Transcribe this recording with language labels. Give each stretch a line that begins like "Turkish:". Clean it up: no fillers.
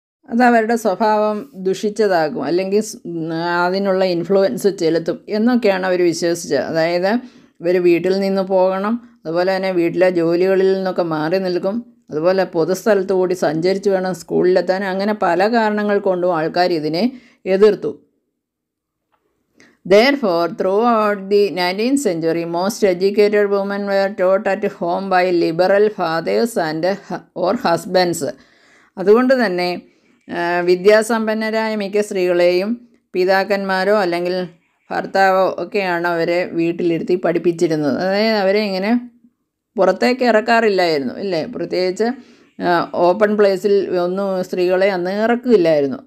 Malayalam: അത് അവരുടെ സ്വഭാവം ദുഷിച്ചതാകും, അല്ലെങ്കിൽ അതിനുള്ള ഇൻഫ്ലുവൻസ് ചെലുത്തും എന്നൊക്കെയാണ് അവർ വിശ്വസിച്ചത്. അതായത് ഇവർ വീട്ടിൽ നിന്ന് പോകണം, അതുപോലെ തന്നെ വീട്ടിലെ ജോലികളിൽ നിന്നൊക്കെ മാറി നിൽക്കും, അതുപോലെ പൊതുസ്ഥലത്ത് കൂടി സഞ്ചരിച്ച് വേണം സ്കൂളിലെത്താൻ. അങ്ങനെ പല കാരണങ്ങൾ കൊണ്ടും ആൾക്കാർ ഇതിനെ എതിർത്തു.
English: Therefore, throughout the 19th century, most educated women were taught at home by liberal fathers and or husbands.
Malayalam: അതുകൊണ്ട് തന്നെ വിദ്യാസമ്പന്നരായ മിക്ക സ്ത്രീകളെയും പിതാക്കന്മാരോ അല്ലെങ്കിൽ ഭർത്താവോ ഒക്കെയാണ് അവരെ വീട്ടിലിരുത്തി പഠിപ്പിച്ചിരുന്നത്. അതായത് അവരെ ഇങ്ങനെ പുറത്തേക്ക് ഇറക്കാറില്ലായിരുന്നു, ഇല്ലേ? പ്രത്യേകിച്ച് ഓപ്പൺ പ്ലേസിൽ ഒന്നും സ്ത്രീകളെ അന്ന് ഇറക്കില്ലായിരുന്നു.